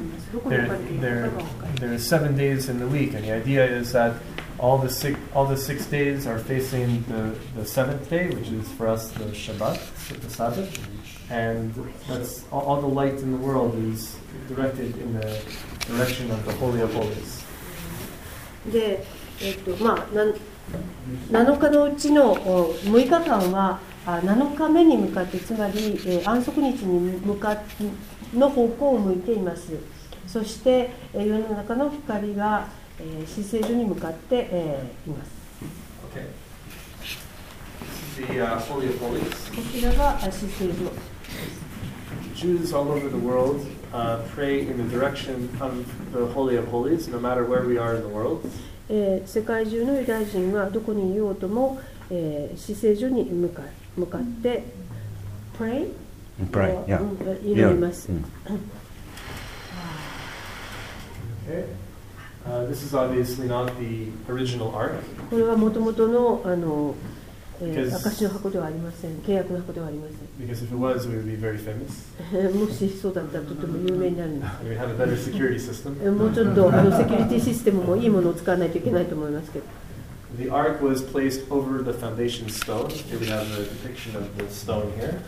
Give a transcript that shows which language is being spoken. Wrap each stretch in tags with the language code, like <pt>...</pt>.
<en>There are 7 days in the week, and the idea is that all the six days are facing the seventh day, which is for us the Shabbat, the Sabbath. And that's all the light in the world is directed in the direction of the Holy of Holies.</en> <ja>で、7日のうちの6日間は7日目に向かって、つまり安息日に向かっての方向を向いています。そして世の中の光が神聖所に向かっています。</ja> <en>Okay. the Holy of Holies.</en> <ja>こちらが至聖所。</ja> <en>Jews all over the world pray in the direction of the Holy of Holies, no matter where we are in the world.</en> <ja>世界中のユダヤ人はどこにいようとも、至聖所に向かって pray</ja> <en>pray</en> <ja>いります。</ja> <en>This is obviously not the original ark.</en> <ja>これはもともとの証の箱ではありません。契約の箱ではありません。</ja> <en>Because if it was, we would be very famous.</en> <ja>もしそうだったらとても有名になるんです</ja> <en>。We have a better security system.</en> <ja>もうちょっとセキュリティシステムもいいものを使わないといけないと思いますけど。</ja> <en>The ark was placed over the foundation stone. Here we have a depiction of the stone here.</en>